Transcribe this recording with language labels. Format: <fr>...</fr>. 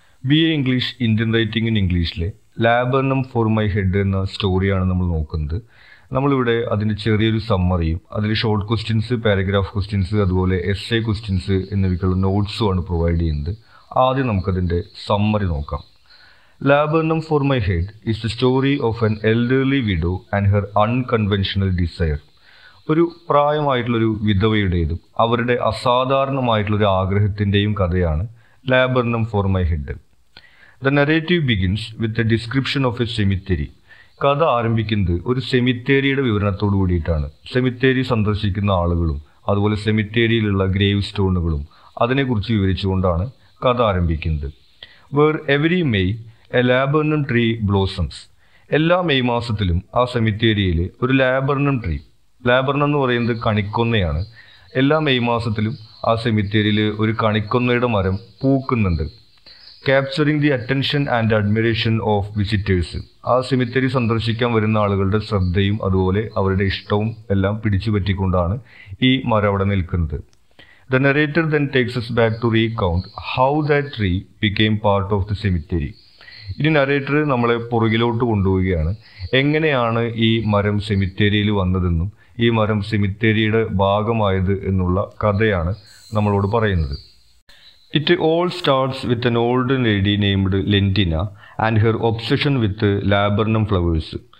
<ml>B A English, Indian writing in ഇംഗ്ലീഷിലെ ലാബർണം for my head എന്ന സ്റ്റോറിയാണ് നമ്മൾ നോക്കുന്നത്. നമ്മളിവിടെ അതിൻ്റെ ചെറിയൊരു സമ്മറിയും അതിൽ ഷോർട്ട് ക്വസ്റ്റ്യൻസ്, പാരഗ്രാഫ് ക്വസ്റ്റ്യൻസ്, അതുപോലെ എസ്എ ക്വസ്റ്റ്യൻസ് എന്നിവയ്ക്കുള്ള നോട്ട്സുമാണ് പ്രൊവൈഡ് ചെയ്യുന്നത്. ആദ്യം നമുക്കതിൻ്റെ സമ്മറി നോക്കാം.</ml> <en>Laburnum for my head is the story of an elderly widow and her unconventional desire.</en> <ml>ഒരു പ്രായമായിട്ടുള്ളൊരു വിധവയുടേതും അവരുടെ അസാധാരണമായിട്ടുള്ളൊരു ആഗ്രഹത്തിൻ്റെയും കഥയാണ് Laburnum for my head.</ml> <en>The narrative begins with a description of a cemetery.</en> <ml>കഥ ആരംഭിക്കുന്നത് ഒരു സെമിത്തേരിയുടെ വിവരണത്തോടു കൂടിയിട്ടാണ്. സെമിത്തേരി സന്ദർശിക്കുന്ന ആളുകളും അതുപോലെ സെമിത്തേരിയിലുള്ള ഗ്രേവ് സ്റ്റോണുകളും അതിനെക്കുറിച്ച് വിവരിച്ചുകൊണ്ടാണ് കഥ ആരംഭിക്കുന്നത്.</ml> <en>Where every May, a laburnum tree blossoms.</en> <ml>എല്ലാ മെയ് മാസത്തിലും ആ സെമിത്തേരിയിൽ ഒരു ലാബർണം ട്രീ, ലാബർണം എന്ന് പറയുന്നത് കണിക്കൊന്നയാണ്, എല്ലാ മെയ് മാസത്തിലും ആ സെമിത്തേരിയിൽ ഒരു കണിക്കൊന്നയുടെ മരം പൂക്കുന്നുണ്ട്.</ml> <en>Capturing the attention and admiration of visitors.</en> <ml>ആ സെമിത്തേരി സന്ദർശിക്കാൻ വരുന്ന ആളുകളുടെ ശ്രദ്ധയും അതുപോലെ അവരുടെ ഇഷ്ടവും എല്ലാം പിടിച്ചുപറ്റിക്കൊണ്ടാണ് ഈ മരം അവിടെ നിൽക്കുന്നത്.</ml> <en>The narrator then takes us back to recount how that tree became part of the cemetery.</en> <ml>ഇനി നരേറ്റർ നമ്മളെ പുറകിലോട്ട് കൊണ്ടുപോവുകയാണ്. എങ്ങനെയാണ് ഈ മരം സെമിത്തേരിയിൽ വന്നതെന്നും ഈ മരം സെമിത്തേരിയുടെ ഭാഗമായത് എന്നുള്ള കഥയാണ് നമ്മളോട് പറയുന്നത്.</ml> <en>It all starts with an old lady named Lentina and her obsession with laburnum flowers.</en>